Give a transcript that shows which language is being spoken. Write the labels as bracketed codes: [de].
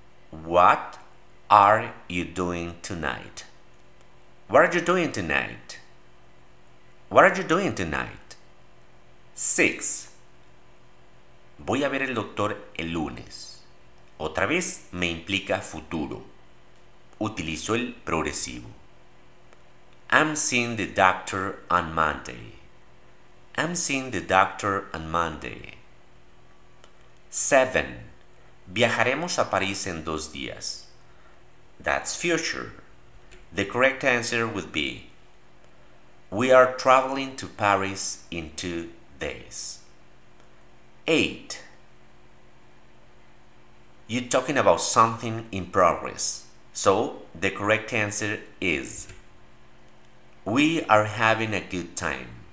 [en] What are you doing tonight? What are you doing tonight? What are you doing tonight? 6. [es] Voy a ver el doctor el lunes. Otra vez me implica futuro. Utilizo el progresivo. [en] I'm seeing the doctor on Monday. I'm seeing the doctor on Monday. 7. [es] Viajaremos a París en 2 días. [en] That's future. The correct answer would be, we are traveling to Paris in 2 days. 8. You're talking about something in progress. So, the correct answer is, we are having a good time.